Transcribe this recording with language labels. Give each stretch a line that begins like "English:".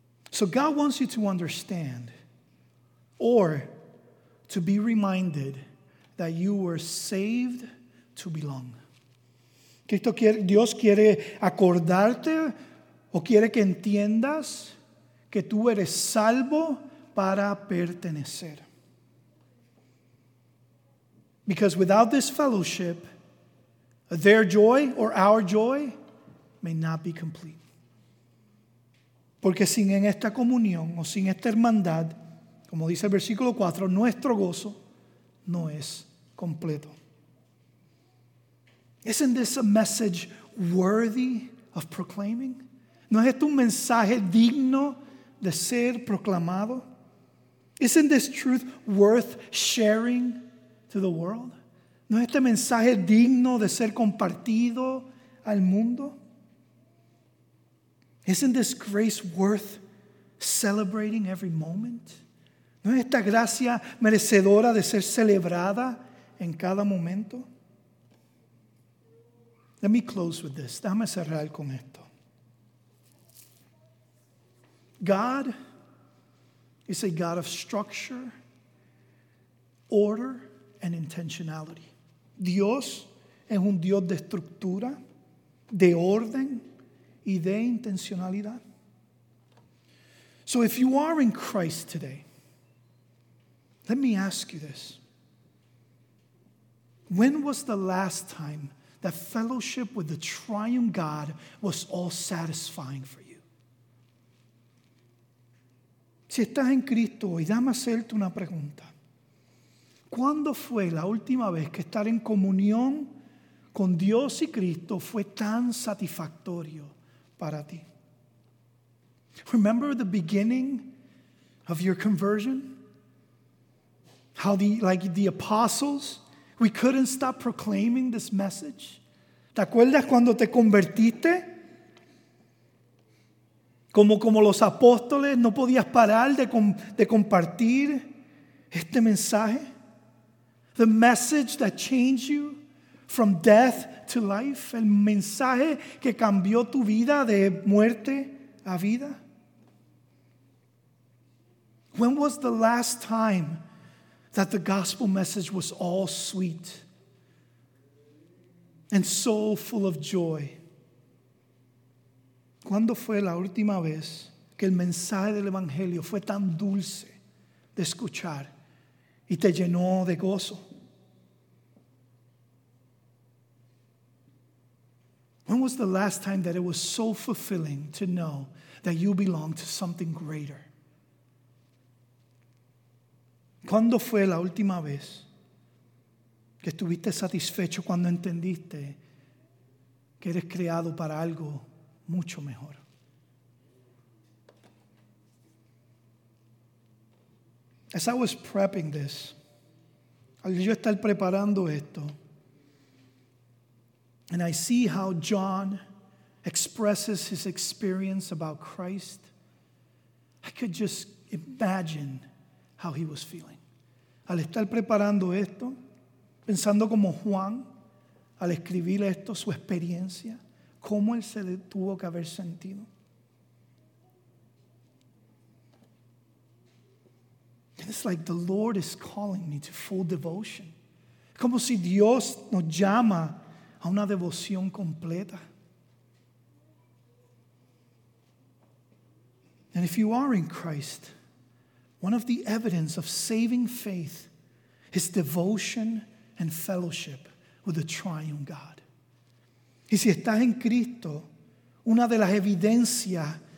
English: So God wants you to understand or to be reminded that you were saved to belong.
Spanish: Dios quiere acordarte o quiere que entiendas que tú eres salvo para pertenecer.
English: Because without this fellowship, their joy or our joy may not be complete.
Spanish: Porque sin en esta comunión o sin esta hermandad, como dice el versículo 4, nuestro gozo no es completo.
English: Isn't this a message worthy of proclaiming?
Spanish: ¿No es esto un mensaje digno de ser proclamado?
English: Isn't this truth worth sharing to the world?
Spanish: ¿No es este mensaje digno de ser compartido al mundo?
English: Isn't this grace worth celebrating every moment?
Spanish: ¿No es esta gracia merecedora de ser celebrada en cada momento?
English: Let me close with this.
Spanish: Déjame cerrar con esto.
English: God is a God of structure, order, and intentionality.
Spanish: Dios es un Dios de estructura, de orden, y de intencionalidad.
English: So if you are in Christ today, let me ask you this. When was the last time that fellowship with the triune God was all satisfying for you?
Spanish: Si estás en Cristo hoy, déjame hacerte una pregunta. ¿Cuándo fue la última vez que estar en comunión con Dios y Cristo fue tan satisfactorio para ti?
English: Remember the beginning of your conversion? How the apostles, we couldn't stop proclaiming this message.
Spanish: ¿Te acuerdas cuando te convertiste? Como los apóstoles, no podías parar de compartir este mensaje.
English: The message that changed you from death to life.
Spanish: El mensaje que cambió tu vida de muerte a vida.
English: When was the last time that the gospel message was all sweet and so full of joy?
Spanish: ¿Cuándo fue la última vez que el mensaje del Evangelio fue tan dulce de escuchar y te llenó de gozo?
English: When was the last time that it was so fulfilling to know that you belong to something greater?
Spanish: ¿Cuándo fue la última vez que estuviste satisfecho cuando entendiste que eres creado para algo mucho mejor?
English: As I was prepping this,
Spanish: al yo estar preparando esto,
English: and I see how John expresses his experience about Christ, I could just imagine how he was feeling.
Spanish: Al estar preparando esto, pensando como Juan, al escribir esto, su experiencia, cómo él se tuvo que haber sentido.
English: And it's like the Lord is calling me to full devotion.
Spanish: Como si Dios nos llama a una devoción completa.
English: And if you are in Christ, one of the evidence of saving faith is devotion and fellowship with the triune God.
Spanish: Y si estás en Cristo, una de las evidencias